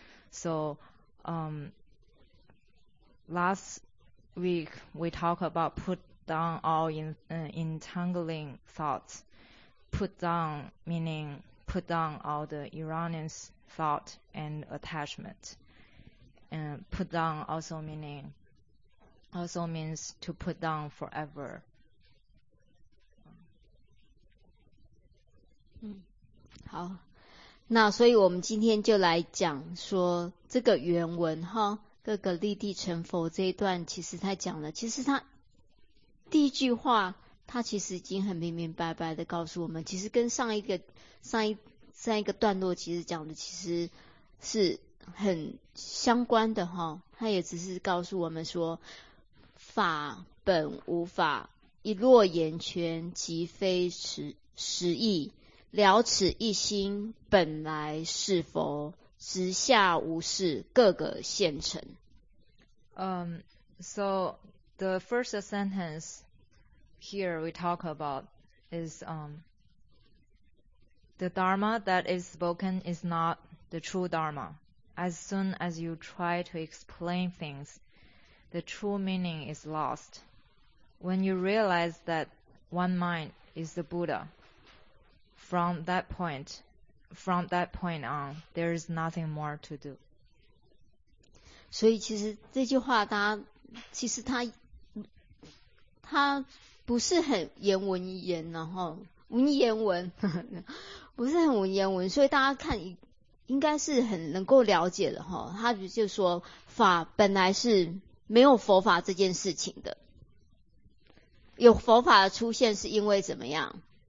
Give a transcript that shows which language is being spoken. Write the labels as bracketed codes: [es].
[en] So last week we talk about put down all entangling thoughts. Put down meaning put down all the erroneous thought and attachment. And put down also means to put down forever. [zh] 好，那所以我们今天就来讲说这个原文哈，各个立地成佛这一段，其实他讲了，其实他第一句话他其实已经很明明白白的告诉我们，其实跟上一个段落其实讲的其实是很相关的哈，他也只是告诉我们说，法本无法，一落眼前即非实义，了此一心本来是佛，直下无事，个个现成。 [en] So The first sentence here we talk about is the Dharma that is spoken is not the true Dharma. As soon as you try to explain things, the true meaning is lost. When you realize that one mind is the Buddha, from that point on, there is nothing more to do. [zh] 所以其实这句话它其实它不是很言文言，然后文言文呵呵不是很文言文，所以大家看应该是很能够了解的哈。他就是说法本来是没有佛法这件事情的，有佛法的出现是因为怎么样？